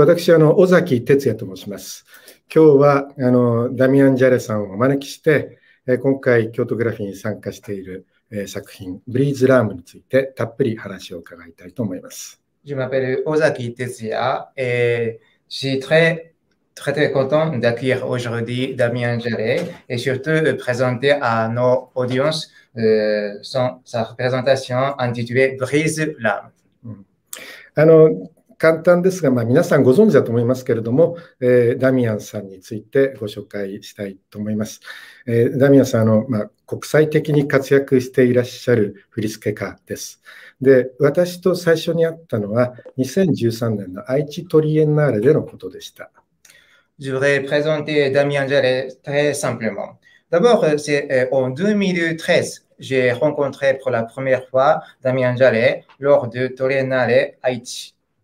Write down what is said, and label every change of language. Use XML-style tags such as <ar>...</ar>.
<ja>私、尾崎哲也と申します。今日は、ダミアン・ジャレさんをお招きして、今回、京都グラフィーに参加している、作品、ブリーズ・ラームについて、たっぷり話を伺いたいと思います。</ja> <fr>Je m'appelle Ozaki Tezia et je suis très, très, très content d'accueillir aujourd'hui Damien Jallet et surtout de présenter à nos audiences sa représentation intitulée Brise l'âme.</fr> <ja>簡単ですが、皆さんご存知だと思いますけれども、ダミアンさんについてご紹介したいと思います。ダミアンさん、国際的に活躍していらっしゃる振付家です。で、私と最初に会ったのは2013年の愛知トリエンナーレでのことでした。</ja> <fr>Je voudrais présenter Damien Jallet très simplement. D'abord, c'est en 2013, j'ai rencontré pour la première fois Damien Jallet lors de Triennale Haïti.</fr>